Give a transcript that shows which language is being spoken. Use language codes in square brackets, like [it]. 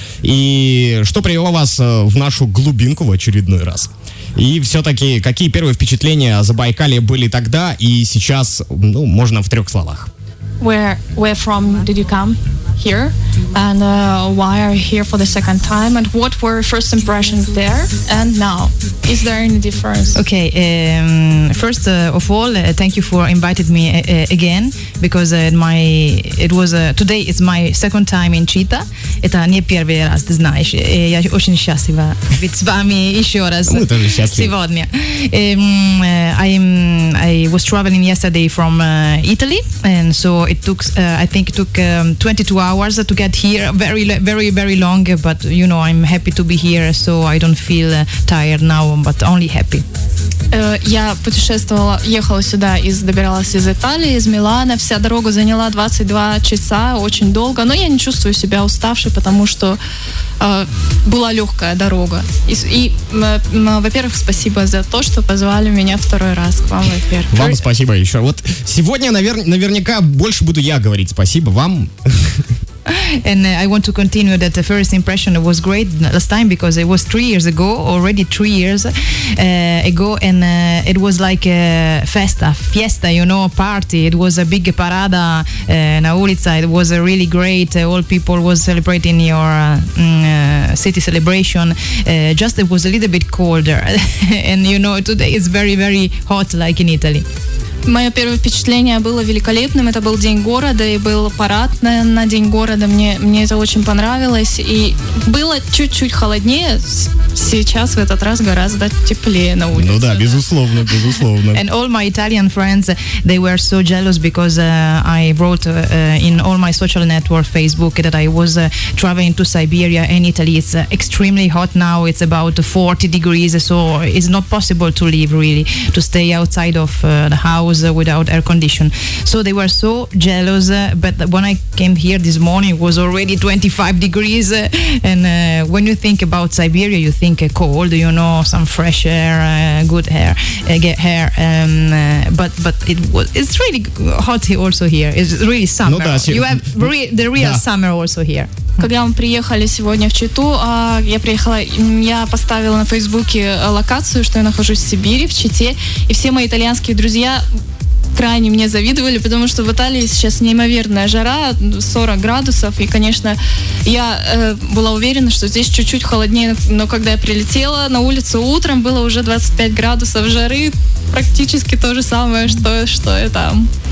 [ru] И что привело вас в нашу глубинку в очередной раз? И все-таки, какие первые впечатления о Забайкалье были тогда и сейчас, ну, можно в трех словах? [en] Where from did you come here? And why are you here for the second time? And what were your first impressions there and now? Is there any difference? Okay, first of all, thank you for inviting me again, because today is my second time in Chita. [ru] Это не первый раз, ты знаешь. Я очень счастлива быть с вами еще раз. Мы тоже счастливы. Сегодня. [en] I was traveling yesterday from Italy, and so it took, I think it took 22 hours to get here, very, very, very long, but you know, I'm happy to be here, so I don't feel tired now, but only happy. [ru] Я путешествовала, ехала сюда и добиралась из Италии, из Милана. Вся дорога заняла 22 часа, очень долго, но я не чувствую себя уставшей, потому что была легкая дорога. Во-первых, спасибо за то, что позвали меня второй раз к вам, во-первых. Вам спасибо еще. Вот сегодня, наверняка, больше буду я говорить спасибо вам. [en] And I want to continue that the first impression was great last time, because it was 3 years ago, already 3 years ago, and it was like a fiesta, you know, a party. It was a big [ru] parada na ulica. [en] It was really great. All people was celebrating your city celebration. Just it was a little bit colder. And you know, today it's very, very hot like in Italy. [ru] Мое первое впечатление было великолепным. Это был день города и был парад на день города. Мне это очень понравилось. И было чуть-чуть холоднее. Сейчас в этот раз гораздо теплее на улице. Ну да, безусловно. [en] And all my Italian friends, they were so jealous, because I wrote in all my social network Facebook that I was traveling to Siberia and Italy. It's extremely hot now. It's about 40 degrees. So it's not possible to live, really, to stay outside of the house without air condition. So they were so jealous, but when I came here this morning, it was already 25 degrees, and when you think about Siberia, you think cold, you know, some fresh air, good hair, get hair, but it's really hot also here. It's really summer. [ru] Ну, да, [en] you have the real summer also here. [ru] Когда мы приехали сегодня в Читу, я поставила на Фейсбуке локацию, что я нахожусь в Сибири, в Чите, и все мои итальянские друзья крайне мне завидовали, потому что в Италии сейчас неимоверная жара, 40 градусов, и, конечно, я была уверена, что здесь чуть-чуть холоднее, но когда я прилетела на улицу утром, было уже 25 градусов жары, практически то же самое, что и там.